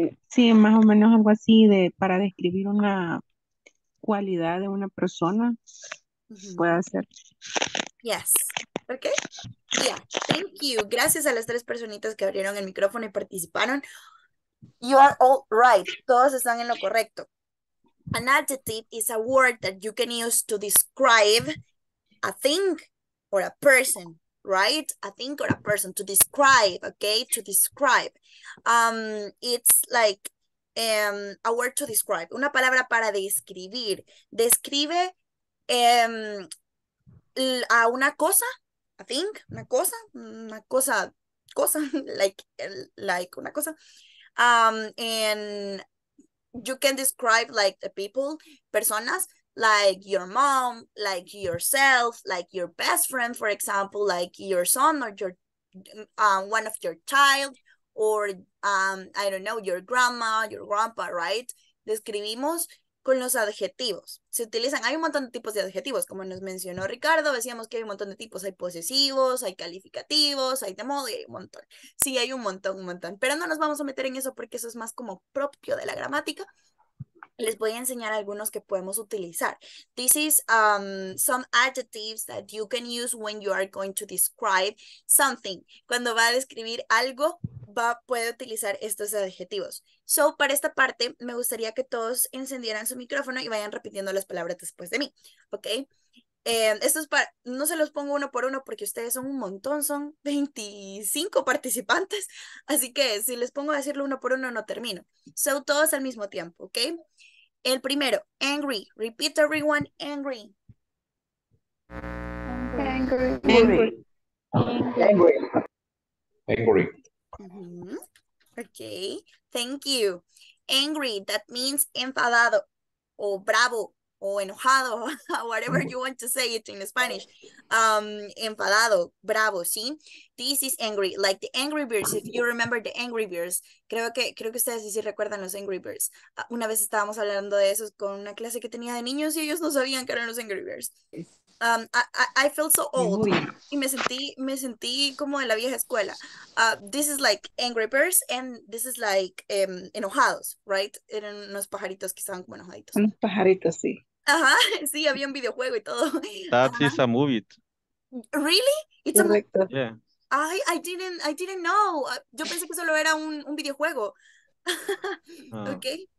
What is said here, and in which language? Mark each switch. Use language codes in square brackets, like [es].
[es] Sí, más o menos algo así de para describir una cualidad de una persona, mm-hmm. Puede ser. [en] Yes, okay, yeah, thank you. [es] Gracias a las tres personitas que abrieron el micrófono y participaron. [en] You are all right, [es] todos están en lo correcto. [en] An adjective is a word that you can use to describe a thing or a person, right? A thing or a person, to describe, okay? To describe. It's like a word to describe. [es] Una palabra para describir. Describe a una cosa, [en] a thing, [es] una cosa, cosa, like una cosa. [en] And you can describe like the people, personas, like your mom, like yourself, like your best friend, for example, like your son or your one of your child, or I don't know, your grandma, your grandpa, right? [es] Describimos con los adjetivos. Se utilizan, hay un montón de tipos de adjetivos, como nos mencionó Ricardo, decíamos que hay un montón de tipos, hay posesivos, hay calificativos, hay de modo, hay un montón. Sí, hay un montón, pero no nos vamos a meter en eso porque eso es más como propio de la gramática. Les voy a enseñar algunos que podemos utilizar. [en] This is some adjectives that you can use when you are going to describe something. [es] Cuando va a describir algo, puede utilizar estos adjetivos. So, para esta parte, me gustaría que todos encendieran su micrófono y vayan repitiendo las palabras después de mí. ¿Ok? Esto es para, no se los pongo uno por uno porque ustedes son un montón, son 25 participantes. Así que si les pongo a decirlo uno por uno, no termino. So, todos al mismo tiempo, ¿ok? El primero, angry. [en] Repeat everyone, angry. Angry. Angry. Angry. Angry. Mm-hmm. Okay, thank you. Angry, that means [es] enfadado, o bravo, o enojado, [en] whatever you want to say it in Spanish. [es] Enfadado, bravo, ¿sí? [en] This is angry, like the angry birds, if you remember the angry birds. [es] Creo que ustedes sí recuerdan los angry birds. Una vez estábamos hablando de esos con una clase que tenía de niños y ellos no sabían que eran los angry birds. [en] I feel so old. [es] Y me sentí como de la vieja escuela. [en] This is like angry birds and this is like enojados, right? [es] Eran unos pajaritos que estaban como enojaditos. Unos pajaritos, sí. Ajá, sí, había un videojuego y todo. [en] That is a movie. Really? It's correcto. A yeah. I didn't know. [es] Yo pensé que solo era un videojuego. Okay.